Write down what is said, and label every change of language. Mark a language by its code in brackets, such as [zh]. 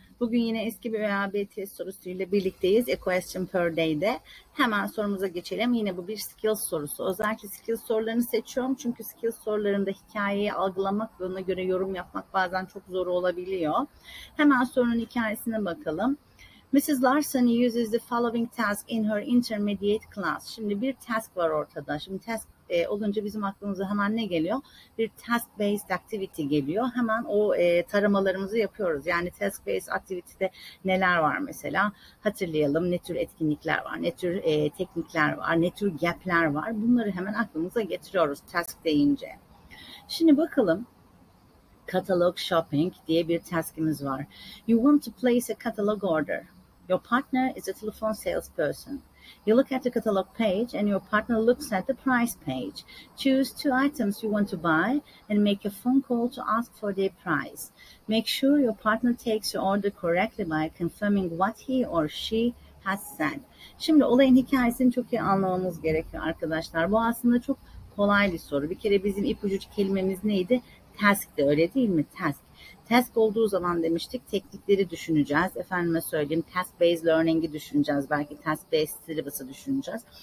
[tr] Bugün yine eski bir veya bir test sorusuyla birlikteyiz. A question per day'de. Hemen sorumuza geçelim. Yine bu bir skills sorusu. Özellikle skills sorularını seçiyorum. Çünkü skills sorularında hikayeyi algılamak ve ona göre yorum yapmak bazen çok zor olabiliyor. Hemen sorunun hikayesine bakalım. Mrs. [en] Larson uses the following task in her intermediate class. [tr] Şimdi bir task var ortada. Şimdi task olunca bizim aklımıza hemen ne geliyor? Bir task-based activity geliyor. Hemen o taramalarımızı yapıyoruz. Yani task-based activity'de neler var mesela? Hatırlayalım ne tür etkinlikler var, ne tür teknikler var, ne tür gap'ler var. Bunları hemen aklımıza getiriyoruz task deyince. Şimdi bakalım. [en] Catalog shopping diye bir taskimiz var. You want to place a catalog order. Your partner is a telephone salesperson. You look at the catalog page and your partner looks at the price page. Choose two items you want to buy and make a phone call to ask for their price. Make sure your partner takes your order correctly by confirming what he or she has sent. [tr] Şimdi olayın hikayesini çok iyi anlamamız gerekiyor arkadaşlar. Bu aslında çok kolay bir soru. Bir kere bizim ipucu kelimemiz neydi? Task de öyle değil mi? Task. Task olduğu zaman demiştik teknikleri düşüneceğiz. Efendime söyleyeyim task-based learning'i düşüneceğiz. Belki task-based syllabus'ı düşüneceğiz.